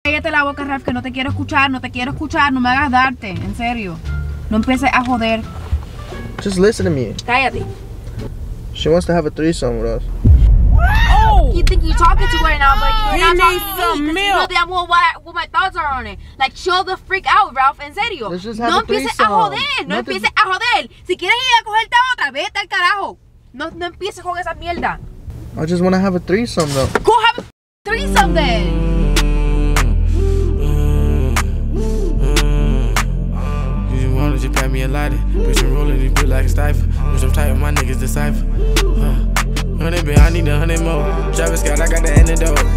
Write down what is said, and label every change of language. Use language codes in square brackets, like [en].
[es] Cállate la boca, Ralph, que no te quiero escuchar, no te quiero escuchar, no me hagas darte, en serio. No empieces a joder. [en] Just listen to me. [es] Cállate. [en] She wants to have a threesome with us. You think you're talking to her right now, but you're not talking to me because you know damn well what my thoughts are on it. Like, chill the freak out, Ralph. [es] En serio. [en] Let's just have a threesome. [es] No empieces a joder. No empieces a joder. Si quieres ir a cogerte a otra, vete al carajo. No, no empieces con esa mierda. [en] I just want to have a threesome, though. Go have a threesome, then. You pat me a lighter, bitch, I'm rolling these bitch like a stifle. Bitch, I'm tight with my niggas, decipher. Honey, bitch, I need a 100 more. Travis Scott, I got the antidote.